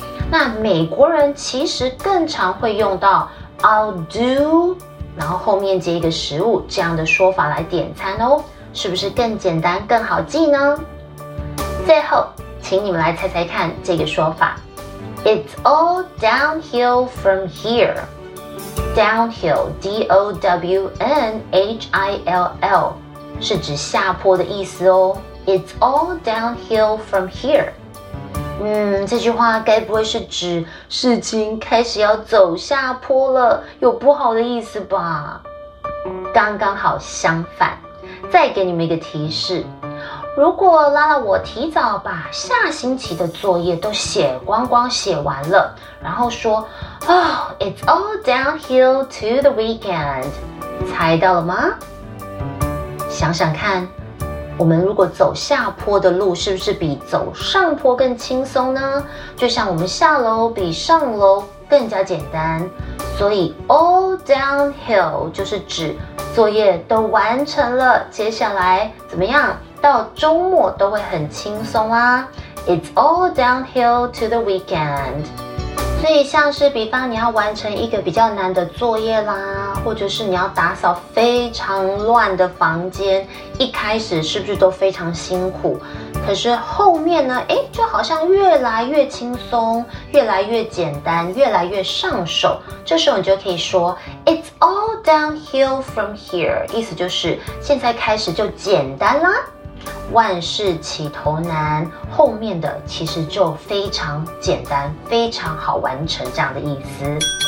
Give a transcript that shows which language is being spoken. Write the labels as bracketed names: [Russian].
[Chinese] 那美国人其实更常会用到 [English] I'll do [Chinese] 然后后面接一个食物这样的说法来点餐哦，是不是更简单更好记呢？最后请你们来猜猜看这个说法， [English] It's all downhill from hereDownhill, D-O-W-N-H-I-L-L [Chinese] 是指下坡的意思哦。 [English] It's all downhill from here。 [Chinese] 这句话该不会是指事情开始要走下坡了，有不好的意思吧？刚刚好相反。再给你们一个提示，如果拉拉我提早把下星期的作业都写光光写完了，然后说 [English] Oh, it's all downhill to the weekend. [Chinese] 猜到了吗？想想看，我们如果走下坡的路，是不是比走上坡更轻松呢？就像我们下楼比上楼更加简单。所以 [English] all downhill [Chinese] 就是指作业都完成了，接下来怎么样？到周末都会很轻松啊。 [English] It's all downhill to the weekend. [Chinese] 所以像是比方你要完成一个比较难的作业啦，或者是你要打扫非常乱的房间，一开始是不是都非常辛苦，可是后面呢，哎，就好像越来越轻松，越来越简单，越来越上手，这时候你就可以说 [English] It's all downhill from here， [Chinese] 意思就是现在开始就简单啦，万事起头难，后面的其实就非常简单，非常好完成，这样的意思。